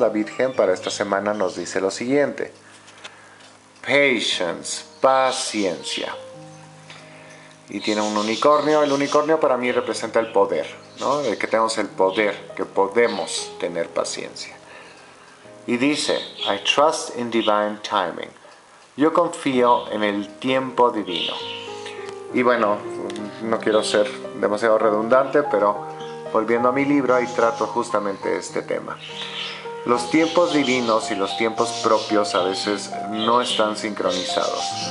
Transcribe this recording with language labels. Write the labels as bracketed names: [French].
[Spanish] La Virgen para esta semana nos dice lo siguiente. Patience, paciencia. Y tiene un unicornio. El unicornio para mí representa el poder, ¿no? De que tenemos el poder, que podemos tener paciencia. Y dice, [English] I trust in divine timing. [Spanish] Yo confío en el tiempo divino. Y bueno, no quiero ser demasiado redundante, pero volviendo a mi libro, ahí trato justamente este tema. Los tiempos divinos y los tiempos propios a veces no están sincronizados.